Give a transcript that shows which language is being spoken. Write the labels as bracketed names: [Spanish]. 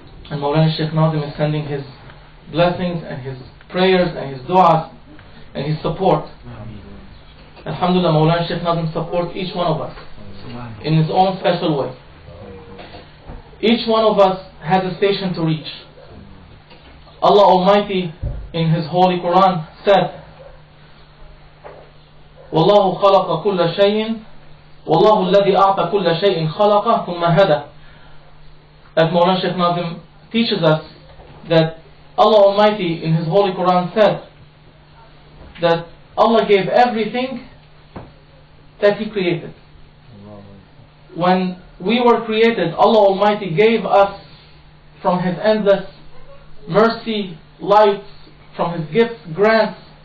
[English] And Mawlana Shaykh Nazim is sending his blessings and his prayers and his du'as and his support. Alhamdulillah, Mawlana Shaykh Nazim supports each one of us in his own special way. Each one of us has a station to reach. Allah Almighty in His Holy Quran said, [Arabic] وَاللَّهُ خَلَقَ كُلَّ شَيْءٍ وَاللَّهُ الَّذِي أَعْطَ كُلَّ شَيْءٍ خَلَقَ ثُمَّ هَدَى. [English] As Mawlana Shaykh Nazim teaches us that Allah Almighty in His Holy Quran said that Allah gave everything that He created. When we were created, Allah Almighty gave us from His endless mercy, life, from His gifts, grants.